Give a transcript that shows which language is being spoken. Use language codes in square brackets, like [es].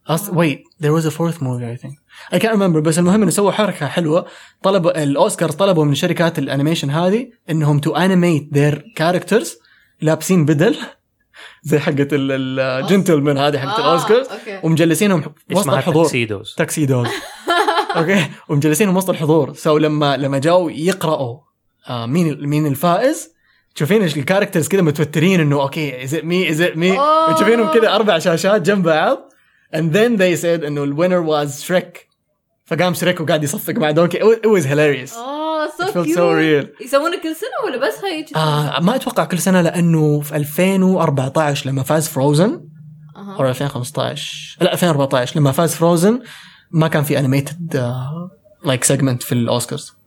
[en] Wait, there was a fourth movie, I think. I can't remember, [ar] بس المهم إنه سووا حركة حلوة. طلبوا الأوسكار طلبوا من شركات الأنيميشن هذه إنهم [en] to animate their characters [ar] لابسين بدل زي حقة الجنتلمن هذه حقة الأوسكار ومجلسينهم وسط الحضور. تكسيدوز. أوكي ومجلسينهم وسط الحضور. سو لما جاوا يقرأوا مين الفائز. تشوفين إيش الكاركترز كده متوترين إنه أوكي [en] is it me. [ar] تشوفينهم كده 4 شاشات جنب بعض. [en] And then they said [ar] إنه [en] the winner was Shrek. [ar] فقام Shrek وقاعد يصفق مع دونكي. [en] It was hilarious. So it felt cute. So real. [ar] يسوون كل سنة ولا بس هاي؟ ما أتوقع كل سنة لأنه في 2014 لما فاز Frozen أو 2014 لما فاز Frozen ما كان في animated like segment في الأوسكارز.